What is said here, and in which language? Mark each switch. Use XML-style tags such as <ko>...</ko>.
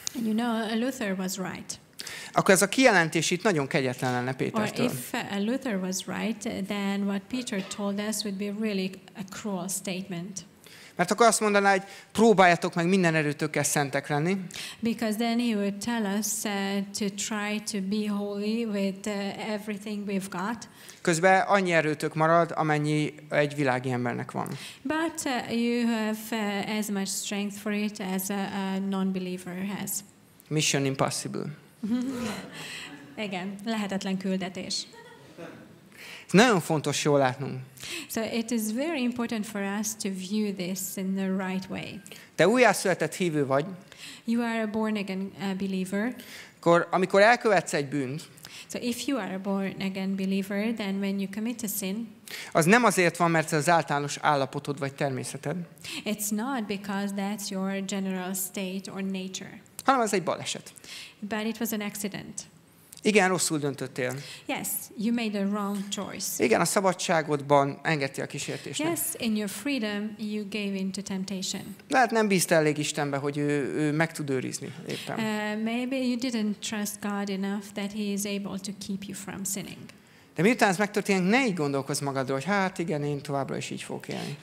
<en>You know, Luther was right.</en> <hu>Akkor ez a kijelentés itt nagyon kegyetlen lenne Pétertől.</hu> <en>Or if Luther was right, then what Peter told us would be really a cruel statement.</en> <hu>Mert akkor azt mondaná, hogy próbáljatok meg minden erőtökkel szentek lenni.</hu> <en>Because then he would tell us to try to be holy with everything we've got.</en> <hu>Közben annyi erőtök marad, amennyi egy világi embernek van.</hu> <en>But you have as much strength for it as a non-believer has. Mission impossible.</en> <hu>Igen, lehetetlen küldetés. Ez nagyon fontos jól látnunk.</hu> <en>So it is very important for us to view this in the right way.</en> <hu>Te újjászületett hívő vagy.</hu> <en>You are a born again believer.</en> <hu>Akkor, amikor elkövetsz egy bűnt.</hu> <en>So if you are a born again believer, then when you commit a sin.</en> <hu>Az nem azért van, mert az általános állapotod vagy természeted.</hu> <en>It's not because that's your general state or nature.</en> <hu>Hanem ez egy baleset.</hu> <en>But it was an accident.</en> <hu>Igen, rosszul döntöttél.</hu> <en>Yes, you made a wrong choice.</en> <hu>Igen, a szabadságodban engedtél a kísértésnek.</hu> <en>Yes, in your freedom you gave in to temptation.</en> <hu>Lehet nem bízta elég Istenbe, hogy ő meg tud őrizni éppen.</hu> <en>Maybe you didn't trust God enough that he is able to keep you from sinning.</en> <hu>De miután ez megtörténik, ne így gondolkozz magadról, hogy hát igen, én továbbra is így fogok élni.</hu>